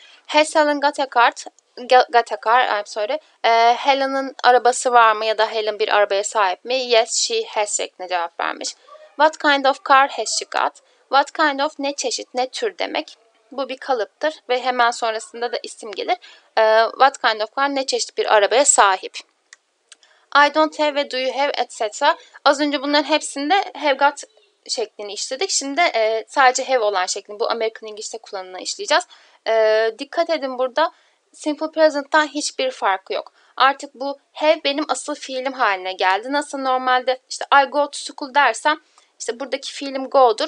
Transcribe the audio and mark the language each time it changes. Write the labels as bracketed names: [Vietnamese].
[English] Has Helen got a car? Got a car. I'm sorry. [Turkish] Helen'ın arabası var mı? Ya da Helen bir arabaya sahip mi? [English] Yes, she has [Turkish] şeklinde cevap vermiş. [English] What kind of car has she got? [Turkish] What kind of ne çeşit, ne tür demek. Bu bir kalıptır ve hemen sonrasında da isim gelir. [English] What kind of car, [Turkish] ne çeşit bir arabaya sahip. [English] I don't have ve do you have etc. [Turkish] Az önce bunların hepsinde have got şeklini işledik. Şimdi sadece have olan şeklini bu American English'te kullanımına işleyeceğiz. Dikkat edin burada simple present'tan hiçbir farkı yok. Artık bu have benim asıl fiilim haline geldi. Nasıl normalde işte [English] I go to school [Turkish] dersem işte buradaki fiilim go'dur.